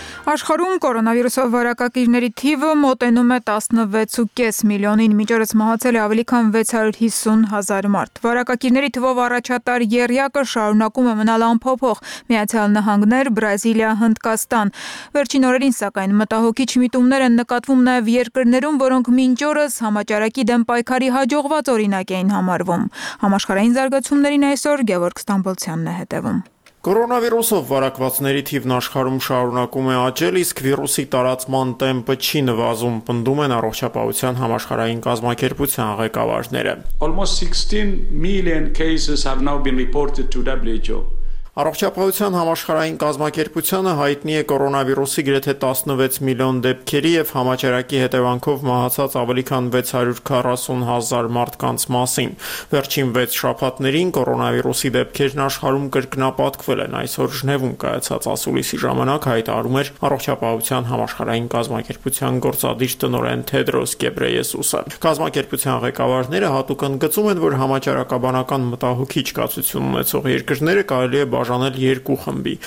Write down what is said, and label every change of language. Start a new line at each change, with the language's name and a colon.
Armenian: Աշխարհում կորոնավիրուսով վարակակիրների թիվը մոտենում է 16.5 միլիոնին, միջերս մահացել է ավելի քան 650,000 մարդ։ Վարակակիրների թվով առաջատար Եռյակը շարունակում է մնալ անփոփոխ՝ Միացյալ Նահանգներ, Բրազիլիա, Հնդկաստան։ Վերջին օրերին, սակայն, մտահոգիչ միտումներ են նկատվում նաև երկրներում, որոնք մինչ օրս համաճարակի դեմ պայքարի հաջողված օրինակ էին համարվում։ Համաշխարհային զարգացումներին այսօր Գևորգ Ստամբոլցյանն է հետևում։ Կորոնավիրուսով վարակվածների թիվն աշխարհում շարունակում է աճել, իսկ վիրուսի տարածման տեմպը չի նվազում, պնդում են առողջապահության համաշխարհային կազմակերպության ղեկավարները։
English: Almost 16 million cases have now been reported to WHO.
Armenian: Առողջապահության համաշխարհային կազմակերպությունը հայտնի է կորոնավիրուսի գրեթե 16 միլիոն դեպքերի և համաճարակի հետևանքով մահացած ավելի քան 640,000 մարդկանց մասին։ Վերջին 6 շաբաթներին կորոնավիրուսի դեպքերն աշխարհում կրկնապատկվել են, այսօր Ժնևում կայացած ասուլիսի ժամանակ հայտարարում էր առողջապահության համաշխարհային կազմակերպության գործադիր տնօրեն Թեդրոս Գեբրեյեսուսը։ Կազմակերպության ղեկավարները հատուկ ընդգծում են, որ համաճարակաբանական մտահոգիչ կացություն ունեցող երկրները կարելի է բաժանել երկու խմբի.